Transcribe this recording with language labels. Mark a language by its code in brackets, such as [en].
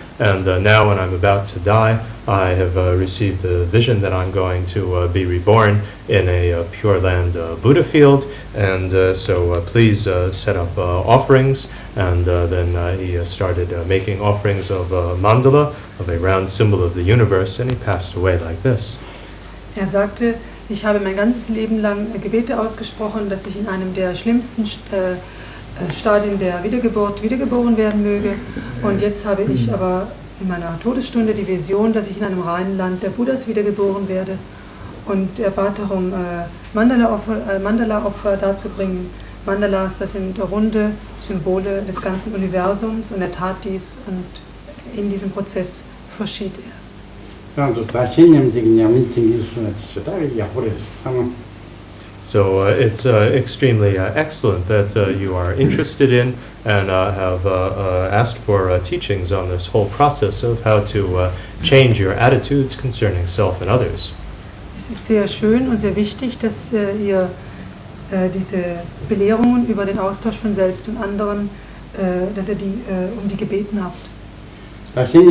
[en] And now when I'm about to die, I have received the vision that I'm going to be reborn in a Pure Land Buddha field. And so please set up offerings. And then he started making offerings of mandala, of a round symbol of the universe, and he passed away like this. [de] Er sagte, ich habe mein ganzes Leben lang Gebete ausgesprochen, dass ich in einem der schlimmsten Stadien der Wiedergeburt wiedergeboren werden möge. Und jetzt habe ich aber in meiner Todesstunde die Vision, dass ich in einem reinen Land der Buddhas wiedergeboren werde. Und er bat darum, Mandala-Opfer darzubringen. Mandalas, das sind runde Symbole des ganzen Universums. Und er tat dies und in diesem Prozess verschied er. [en] So it's extremely excellent that you are interested in and have asked for teachings on this whole process of how to change your attitudes concerning self and others. [de] Es ist sehr schön und sehr wichtig, dass ihr diese Belehrungen über den Austausch von selbst und anderen, dass ihr die um die gebeten habt.